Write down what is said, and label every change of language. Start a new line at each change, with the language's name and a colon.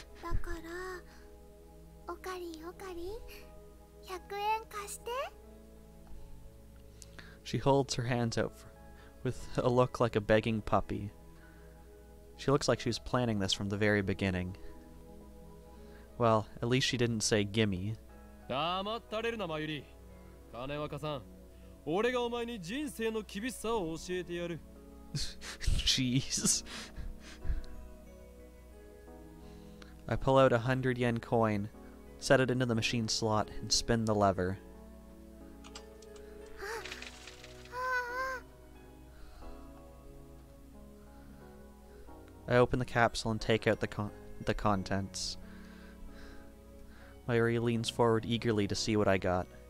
Japanese: Dakara, okari, okari, 100円 貸して?
English: She holds her hands out with a look like a begging puppy. She looks like she was planning this from the very beginning. Well, at least she didn't say gimme.
Japanese: 黙ったれるな、マユリ。金は貸さん。俺がお前に人生の厳しさを教えてやる。
English: Jeez. I pull out a 100 yen coin, set it into the machine slot, and spin the lever. I open the capsule and take out the contents. Mayuri leans forward eagerly to see what I got.